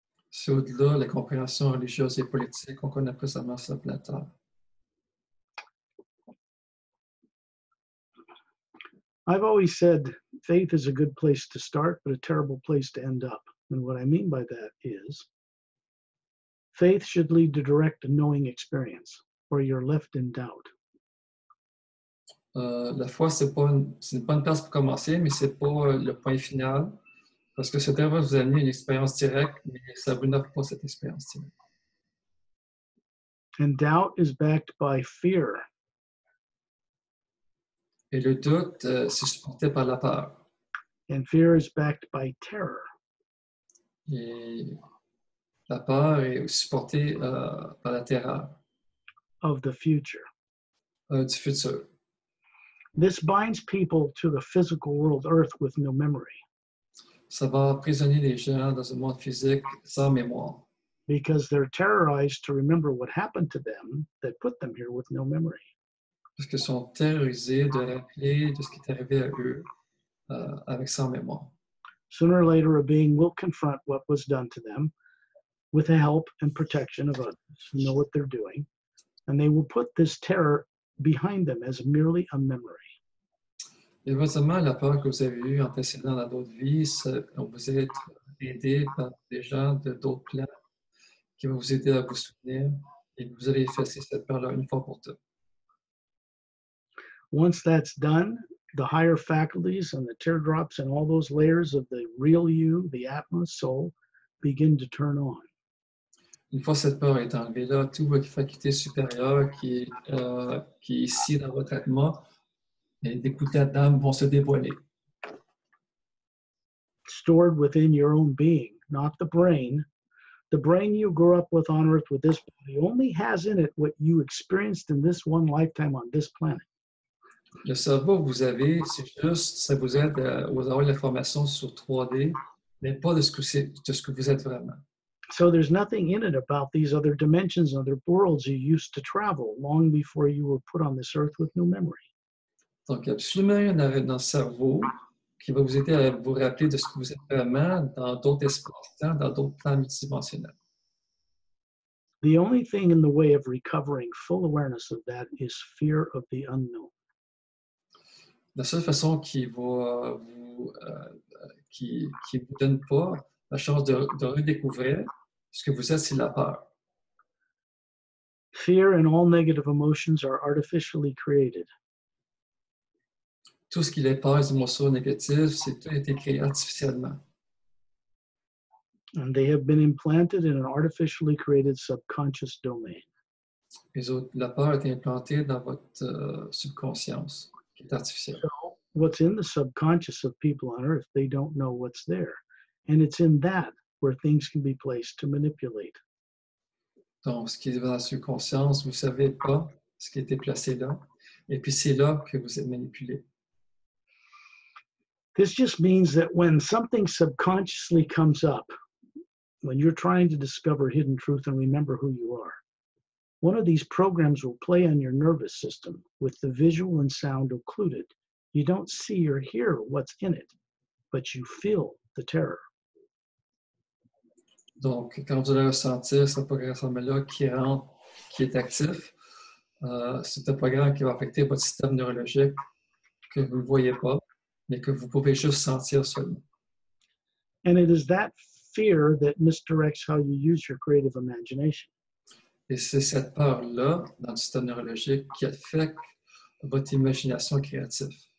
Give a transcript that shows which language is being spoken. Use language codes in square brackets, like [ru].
[fr] C'est au-delà les compréhensions religieuses et politiques qu'on connaît présentement sur la planète Terre. [en] I've always said faith is a good place to start, but a terrible place to end up. And what I mean by that is, faith should lead to direct and knowing experience, or you're left in doubt. [fr] La foi, c'est pas une place pour commencer, mais c'est pas le point final. Parce que ça devrait vous amener une expérience directe, mais ça vous n'offre pas cette expérience directe. [en] And doubt is backed by fear. [fr] Et le doute, c'est supporté par la peur. [en] And fear is backed by terror. [fr] Et la peur est aussi supportée par la terreur. [en] Of the future. [fr] Du futur. [en] This binds people to the physical world Earth with no memory. [fr] Ça va prisonner les gens dans un monde physique sans mémoire. [en] Because they're terrorized to remember what happened to them that put them here with no memory. [fr] Parce qu'ils sont terrorisés de rappeler de ce qui est arrivé à eux avec sans mémoire. [en] Sooner or later, a being will confront what was done to them with the help and protection of others who know what they're doing, and they will put this terror behind them as merely a memory. [fr] Éventuellement, la peur que vous avez eue en décédant dans d'autres vies, on vous est aidé par des gens de d'autres plans qui vont vous aider à vous souvenir et vous allez effacer cette peur-là une fois pour toutes. [en] Once that's done, the higher faculties and the teardrops and all those layers of the real you, the Atma soul, begin to turn on. [fr] Une fois cette peur est enlevée, là, toutes vos facultés supérieures qui est ici dans votre Atma, et d'écouter Adam vont se dévoiler. [en] Stored within your own being, not the brain. The brain you grew up with on Earth with this body only has in it what you experienced in this one lifetime on this planet. [fr] Le cerveau que vous avez, c'est juste, ça vous aide à avoir l'information sur 3D, mais pas de ce que vous êtes vraiment. [en] So there's nothing in it about these other dimensions, other worlds you used to travel long before you were put on this earth with no memory. [fr] Donc, il n'y a absolument rien dans votre cerveau qui va vous aider à vous rappeler de ce que vous êtes vraiment dans d'autres espaces-temps, dans d'autres plans multidimensionnels. [en] The only thing in the way of recovering full awareness of that is fear of the unknown. [fr] La seule façon qui va vous qui vous donne pas la chance de redécouvrir ce que vous êtes, c'est la peur. [en] Fear and all negative emotions are artificially created. [fr] Tout ce qui est peur, les émotions négatives, c'est tout a été créé artificiellement. [en] And they have been implanted in an artificially created subconscious domain. [fr] La peur a été implantée dans votre subconscience, qui est artificielle. [en] So, what's in the subconscious of people on Earth, they don't know what's there. And it's in that where things can be placed to manipulate. [fr] Donc, ce qui est dans la subconscience, vous ne savez pas ce qui a été placé là. Et puis, c'est là que vous êtes manipulé. [en] This just means that when something subconsciously comes up, when you're trying to discover hidden truth and remember who you are, one of these programs will play on your nervous system with the visual and sound occluded. You don't see or hear what's in it, but you feel the terror. [fr] Donc, quand vous allez ressentir ce programme-là qui est actif, c'est un programme qui va affecter votre système neurologique que vous ne voyez pas. Mais que vous pouvez juste sentir seulement. [en] And it is that fear that misdirects how you use your creative imagination. [fr] Et c'est cette peur-là dans le système neurologique qui affecte votre imagination créative.